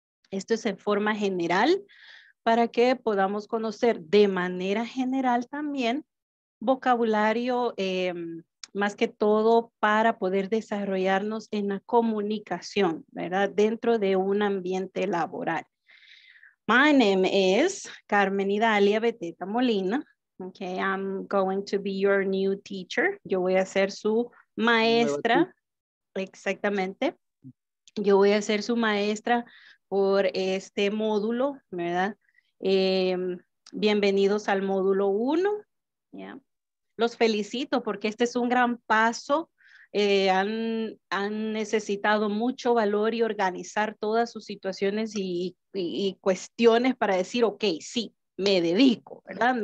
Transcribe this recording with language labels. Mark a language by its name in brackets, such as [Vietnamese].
[Spanish] Esto es en forma general para que podamos conocer de manera general también vocabulario, más que todo para poder desarrollarnos en la comunicación, ¿verdad? Dentro de un ambiente laboral. [English] My name is Carmen Idalia Beteta Molina. Okay, I'm going to be your new teacher. [Spanish] Yo voy a ser su maestra. Exactamente. Yo voy a ser su maestra por este módulo, ¿verdad? Bienvenidos al módulo 1. Yeah. Los felicito porque este es un gran paso. Han necesitado mucho valor y organizar todas sus situaciones y cuestiones para decir, ok, sí, me dedico, ¿verdad?